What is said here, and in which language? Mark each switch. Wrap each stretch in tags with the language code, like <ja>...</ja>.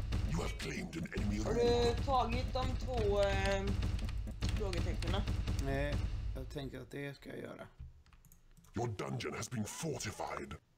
<en>You have claimed an enemy room.</en> <sv>Har du tagit de två frågetecknena? Nej, jag tänker att det ska jag göra.</sv> <en>Your dungeon has been fortified.</en>